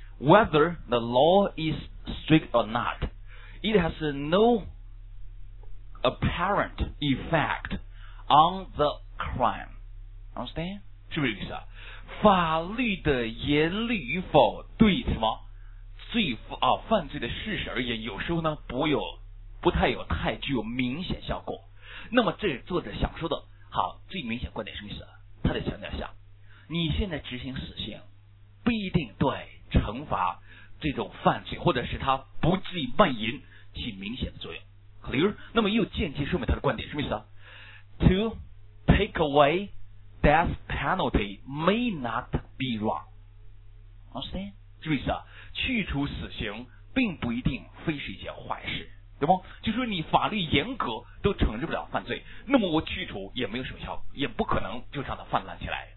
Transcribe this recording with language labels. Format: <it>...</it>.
<en>Whether the law is strict or not, it has no apparent effect on the crime. Understand?</en> <zh>是不是意思啊？法律的严厉与否对什么罪啊犯罪的事实而言，有时候呢不太具有明显效果。那么这作者想说的，好，最明显观点是什么？他得强调一下，你现在执行死刑不一定对惩罚这种犯罪或者是他不自己卖淫起明显的作用。</zh> <en>Clear?</en> <zh>那么又间接说明他的观点，什么意思啊？</zh> <en>To take away death penalty may not be wrong. Understand?</en> <zh>什么意思啊？去除死刑并不一定非是一件坏事，对吗？就说你法律严格都惩治不了犯罪，那么我去除也没有什么效果，也不可能就让它泛滥起来。</zh>